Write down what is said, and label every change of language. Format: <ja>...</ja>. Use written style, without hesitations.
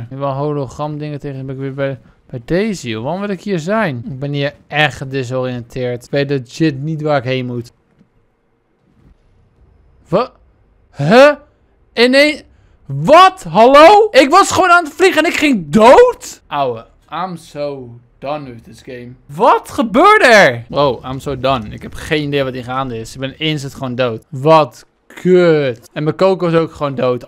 <nl>Ik heb wel hologram dingen tegen. Ben ik weer bij deze, joh. Waarom wil ik hier zijn? Ik ben hier echt gedisoriënteerd. Ik weet legit niet waar ik heen moet. Wat? Huh? Ineens? Wat? Hallo? Ik was gewoon aan het vliegen en ik ging dood? Ouwe,</nl> <en>I'm so done with this game.</en> <nl>Wat gebeurde er?</nl> <en>Bro, I'm so done.</en> <nl>Ik heb geen idee wat hier gaande is. Ik ben instant gewoon dood. Wat kut. En mijn coco is ook gewoon dood.</nl>